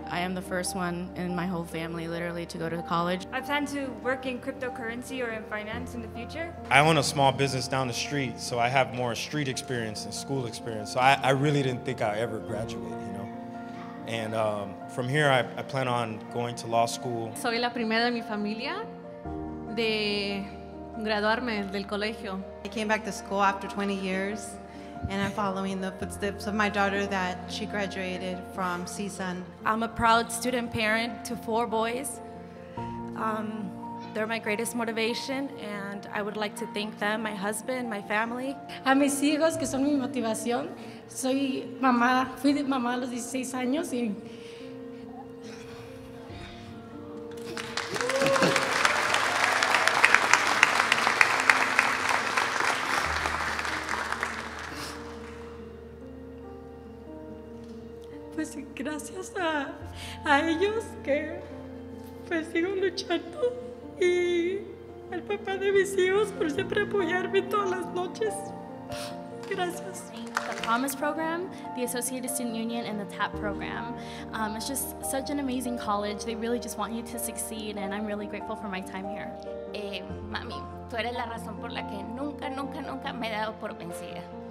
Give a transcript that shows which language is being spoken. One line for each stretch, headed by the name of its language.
English: I am the first one in my whole family, literally, to go to college. I plan to work in cryptocurrency or in finance in the future. I own a small business down the street, so I have more street experience than school experience. So I really didn't think I'd ever graduate, you know. And from here, I plan on going to law school.
Spanish: Soy la primera de mi familia de graduarme del colegio.
English: I came back to school after 20 years. And I'm following the footsteps of my daughter that she graduated from CSUN. I'm a proud student parent to four boys. They're my greatest motivation, and I would like to thank them, my husband, my family.
Spanish: A mis hijos, que son mi motivación. Soy mamá, fui de mamá a los 16 años, y gracias a ellos que pues sigo luchando y al papá de mis hijos por siempre apoyarme todas las noches. Gracias.
English: The Promise Program, the Associated Student Union, and the TAP Program. It's just such an amazing college. They really just want you to succeed, and I'm really grateful for my time here.
Spanish: Mami, tú eres la razón por la que nunca, nunca, nunca me he dado por vencida.